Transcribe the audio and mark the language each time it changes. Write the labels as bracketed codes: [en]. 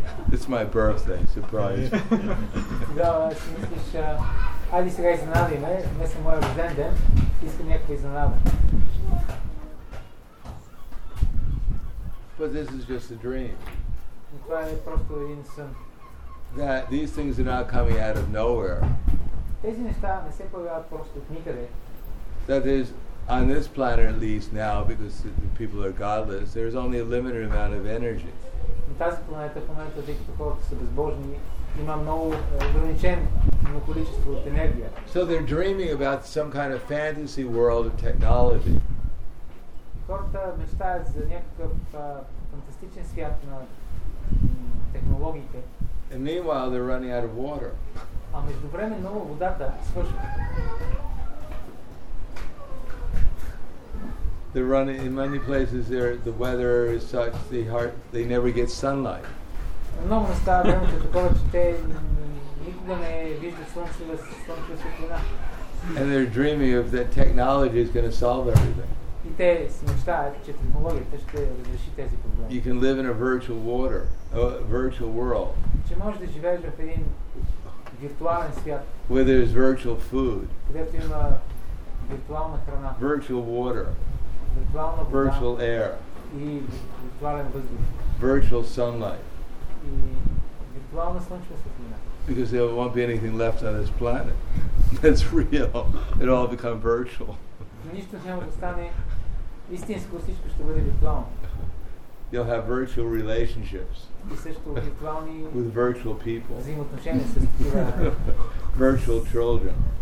[en] It's my birthday, surprise. [bg] Да, си мислиш, айди сега изненади ме, днес е моя рожден ден, искам някаква изненада. [en] But this is just a dream. [bg] Това е просто един сън. [en] That these things are not coming out of nowhere. [bg] Тези неща не се появяват просто от никъде. [en] That is, on this planet at least now, because the people are godless, there's only a limited amount of energy. [bg] На тази планета, в момента, докато хората са безбожни, има много ограничено количество от енергия. [en] So they're dreaming about some kind of fantasy world of technology. [bg] Хората мечтаят за някакъв фантастичен свят на технологиите. [en] And meanwhile, they're running out of water. [bg] А междувременно водата свършва. [en] They're running in many places. There, the weather is such the heart. They never get sunlight. [bg] Но места, времето такова, че те никога не виждат слънчева светлина. [en] And they're dreaming of that technology is going to solve everything. [bg] И те си мечтаят, че технологията ще разреши тези проблеми. [en] You can live in a virtual water, a virtual world. [bg] Че можеш да живееш в един виртуален свят. [en] Where there's virtual food. [bg] Където има виртуална храна. [en] Virtual water. [bg] Виртуална вода. [en] Virtual air. [bg] И виртуален въздух. [en] Virtual sunlight. [bg] И виртуална слънчева светлина. [en] Because there won't be anything left on this planet. That's real. It all become virtual. [bg] Нищо няма да стане истинско, всичко ще бъде виртуално. [en] You'll have virtual relationships with virtual people. Virtual children.